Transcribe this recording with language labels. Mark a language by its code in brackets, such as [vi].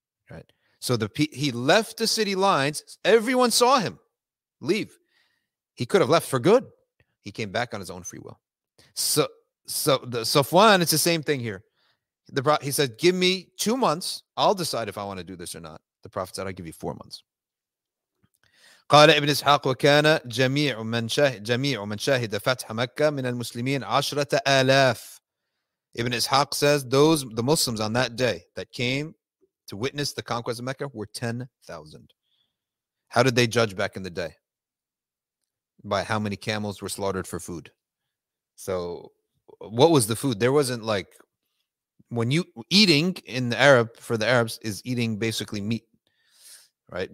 [en] Right. So he left the city lines. Everyone saw him leave. He could have left for good. He came back on his own free will. So the Safwan, it's the same thing here. He said, give me 2 months. I'll decide if I want to do this or not. The Prophet said, I'll give you 4 months. [ar] قال ابن إسحاق وكان جميع من شاهد فتح مكة من المسلمين عشرة آلاف. [en] Ibn Ishaq says, the Muslims on that day that came to witness the conquest of Mecca were 10,000. How did they judge back in the day? By how many camels were slaughtered for food. So what was the food? There wasn't like, when you eating in the Arab, for the Arabs, is eating basically meat, right?